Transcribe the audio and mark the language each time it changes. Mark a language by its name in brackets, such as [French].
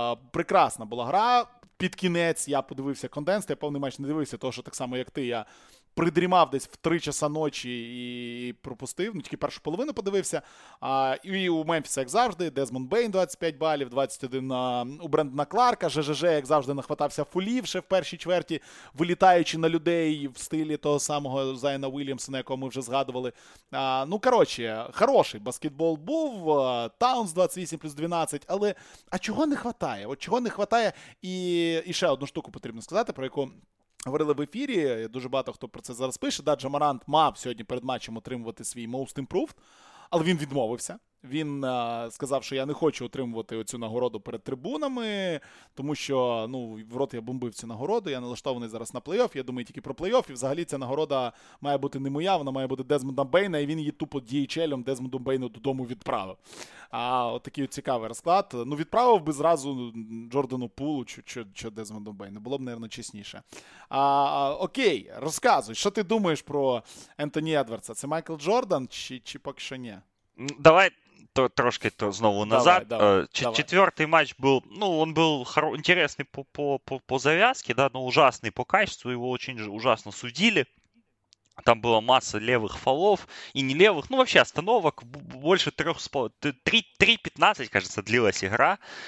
[Ukrainian] Прекрасна була гра. Під кінець я подивився конденс, я повний матч не дивився, того, що так само, як ти, я придрімав десь в 3 часа ночі і пропустив, ну тільки першу половину подивився, і у Мемфіса, як завжди, Дезмонд Бейн 25 балів, 21 у Брендона Кларка, ЖЖЖ, як завжди, нахватався фулів ще в першій чверті, вилітаючи на людей в стилі того самого Зайна Уільямсона, якого ми вже згадували. Ну, коротше, хороший баскетбол був, Таунс 28 плюс 12, але, а чого не хватає? От чого не хватає? І ще одну штуку потрібно сказати, про яку говорили в ефірі, дуже багато хто про це зараз пише. Да, Джа Морант мав сьогодні перед матчем отримувати свій Most Improved, але він відмовився. Він сказав, що я не хочу отримувати оцю нагороду перед трибунами, тому що, ну, в рот я бомбив цю нагороду, я налаштований зараз на плей-офф, я думаю тільки про плей-офф, і взагалі ця нагорода має бути не моя, вона має бути Дезмонда Бейна, і він її тупо DHL-ом Дезмонду Бейну додому відправив. А от такий от цікавий розклад. Ну, відправив би зразу Джордану Пулу чи Дезмонду Бейну. Було б, мабуть, чесніше. Окей, розказуй, що ти думаєш про Ентоні Едвардса? Це Майкл Джордан чи поки що ні? Давай трошки знову назад. Четвертий матч був, [Russian] ну, он был интересный по завязке, да, но ужасный по качеству. Его очень ужасно судили. Там была масса левых фолов и не левых. Ну, вообще, остановок больше 3-15, кажется, длилась игра.